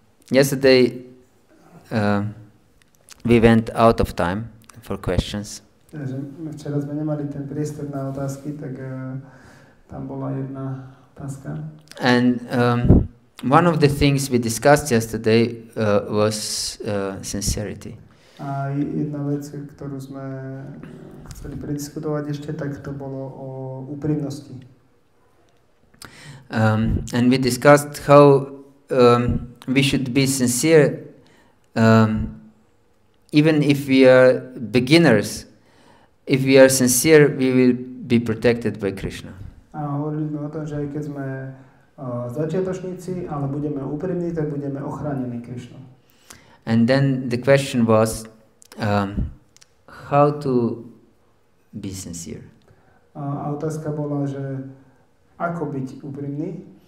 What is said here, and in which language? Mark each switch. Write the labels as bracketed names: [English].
[English] Yesterday we went out of time for questions. [Slovak] Takže včera sme nemali ten priestor na otázky, tak tam bola jedna [English] And one of the things we discussed yesterday was sincerity. [Slovak] A jedna vec, ktorú sme chceli prediskutovať ešte, tak to bolo o úprimnosti. [English] And we discussed how we should be sincere even if we are beginners. If we are sincere, we will be protected by Krishna. [Slovak] A hovorili sme o tom, že aj keď sme začiatočníci, ale budeme úprimní, tak budeme ochránení Krishna. [English] And then the question was how to be sincere. [Slovak] A otázka bola, že ako byť úprimný?